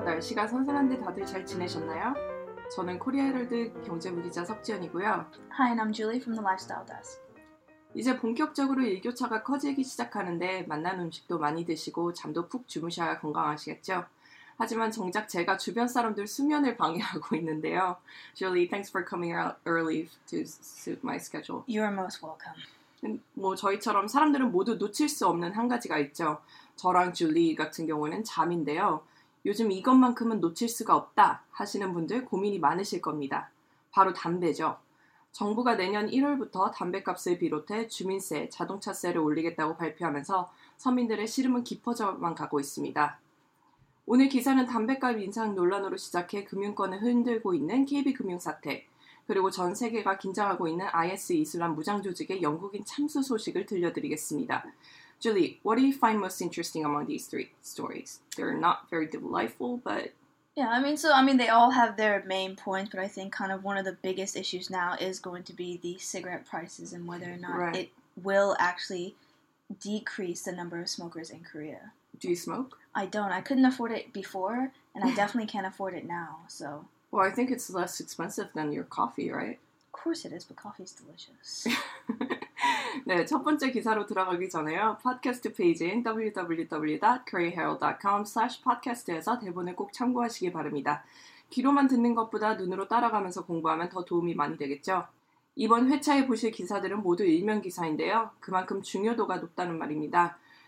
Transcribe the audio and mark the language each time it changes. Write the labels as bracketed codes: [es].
[ko] 날씨가 선선한데 다들 잘 지내셨나요? 저는 코리아헤럴드 경제부 기자 석지연이고요. [en] Hi, and I'm Julie from the Lifestyle Desk. [ko] 이제 본격적으로 일교차가 커지기 시작하는데 맛난 음식도 많이 드시고 잠도 푹 주무셔야 건강하시겠죠? 하지만 정작 제가 주변 사람들 수면을 방해하고 있는데요. [en] Julie, thanks for coming out early to suit my schedule. You are most welcome. [ko] 뭐 저희처럼 사람들은 모두 놓칠 수 없는 한 가지가 있죠. 저랑 줄리 같은 경우는 잠인데요. 요즘 이것만큼은 놓칠 수가 없다 하시는 분들 고민이 많으실 겁니다. 바로 담배죠. 정부가 내년 1월부터 담배값을 비롯해 주민세, 자동차세를 올리겠다고 발표하면서 서민들의 시름은 깊어져만 가고 있습니다. 오늘 기사는 담배값 인상 논란으로 시작해 금융권을 흔들고 있는 KB금융 사태, 그리고 전 세계가 긴장하고 있는 IS 이슬람 무장조직의 영국인 참수 소식을 들려드리겠습니다. [en] Julie, what do you find most interesting among these three stories? They're not very delightful, but... Yeah, I mean, they all have their main points, but I think kind of one of the biggest issues now is going to be the cigarette prices and whether or not it will actually decrease the number of smokers in Korea. Do you smoke? I don't. I couldn't afford it before, and I definitely can't afford it now, so... Well, I think it's less expensive than your coffee, right? Of course it is, but coffee's delicious. [ko] 네, 첫 번째 기사로 들어가기 전에요. 팟캐스트 페이지인 www.koreaherald.com/podcast에서 대본을 꼭 참고하시기 바랍니다. 귀로만 듣는 것보다 눈으로 따라가면서 공부하면 더 도움이 많이 되겠죠? 이번 회차에 보실 기사들은 모두 일면 기사인데요. 그만큼 중요도가 높다는 말입니다.